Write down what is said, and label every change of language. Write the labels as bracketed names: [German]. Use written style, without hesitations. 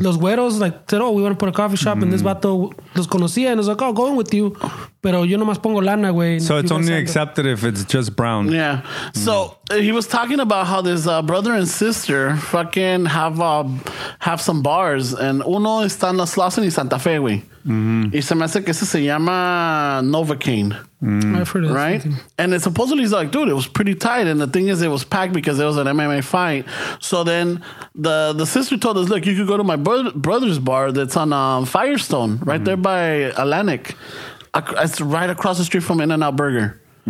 [Spanish] Los güeros [English] like said, oh, we want to put a coffee shop, mm-hmm. and this vato [Spanish] los conocía [English] and was like, oh, going with you, [Spanish] pero yo nomás pongo lana, güey. [English] So it's only accepted if it's just brown. Yeah. Mm-hmm. So he was talking about how this brother and sister fucking have some bars, and [Spanish] uno está en Las Lasen y Santa Fe, güey. [English] Mm-hmm. [Spanish] Y se me hace que ese se llama Novocaine. [English] Mm. I've heard of right? Something. And it supposedly he's like, dude, it was pretty tight. And the thing is, it was packed because it was an MMA fight. So then the sister told us, look, you could go to my brother's bar that's on Firestone, right mm-hmm. there by Atlantic. It's right across the street from In-N-Out Burger.